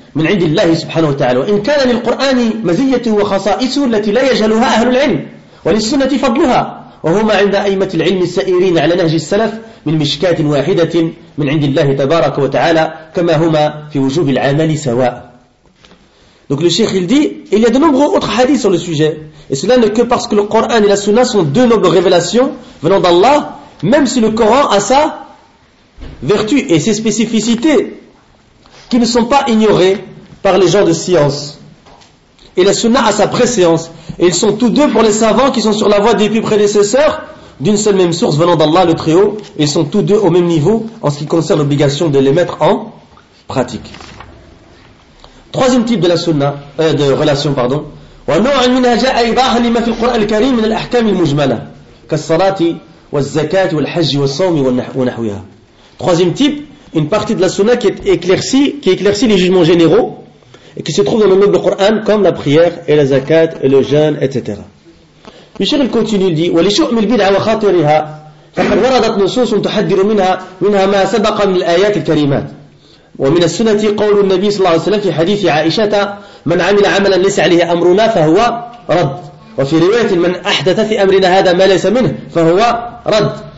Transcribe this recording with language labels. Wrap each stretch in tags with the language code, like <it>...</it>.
<ar>من عند الله سبحانه وتعالى وإن كان للقرآن مزيته وخصائصه التي لا يجهلها أهل العلم وللسنة فضلها وهما عند أئمة العلم السائرين على نهج السلف من مشكات واحدة من عند الله تبارك وتعالى كما هما في وجوب العمل سواء.</ar> <fr>Donc le cheikh il dit, il y a de nombreux autres hadiths sur le sujet. Et cela n'est que parce que le Coran et la Sunna sont deux nobles révélations venant d'Allah, même si le Coran a sa vertu et ses spécificités qui ne sont pas ignorées par les gens de science. Et la Sunna a sa préséance. Et ils sont tous deux pour les savants qui sont sur la voie des plus prédécesseurs d'une seule même source venant d'Allah le Très-Haut. Ils sont tous deux au même niveau en ce qui concerne l'obligation de les mettre en pratique. Troisième type de la Sunna, de relation, pardon.</fr> <ar>وَنُوعٌ مِنْهَا جَاءَ إِضَاحًا لِمَا فِي الْقُرْآنِ الْكَرِيمِ مِنَ الْأَحْكَامِ الْمُجْمَلَةِ كَالصَّلَاةِ وَالزَّكَاةِ وَالْحَجِّ وَالصَّوْمِ وَنَحْوِهَا.</ar> <fr>Troisième type, une partie de la Sunna qui éclaircit les jugements généraux et qui se trouve dans le noble Coran comme la prière et la zakat et le jeûne, etc. Michel il continue, il dit</fr> <ar>وَلِشُؤْمِ الْبِدْعَ وَخَاطِرِهَا فَقَدْ وَرَدَتْ نُصُوصٌ تُحَذِّرُ مِنْهَا مَا سَبَقَ مِنَ الْآيَاتِ الْكَرِيمَاتِ ومن السنة قول النبي صلى الله عليه وسلم في حديث عائشة من عمل عملا ليس عليه أمرنا فهو رد وفي رواية من أحدث في أمرنا هذا ما ليس منه فهو رد</ar>